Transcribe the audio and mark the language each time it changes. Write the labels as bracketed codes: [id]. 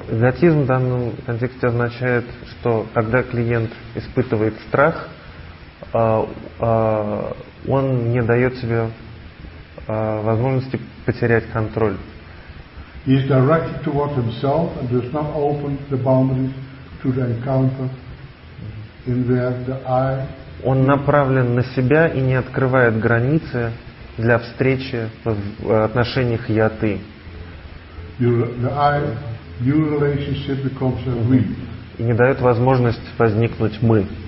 [ru] Эготизм в данном контексте означает, что когда клиент испытывает страх, он не дает себе возможности потерять контроль. [en] He is directed toward himself and does not open the boundaries to the encounter in where the I. [ru] Он направлен на себя и не открывает границы для встречи в отношениях я-ты. И не дает возможность возникнуть мы.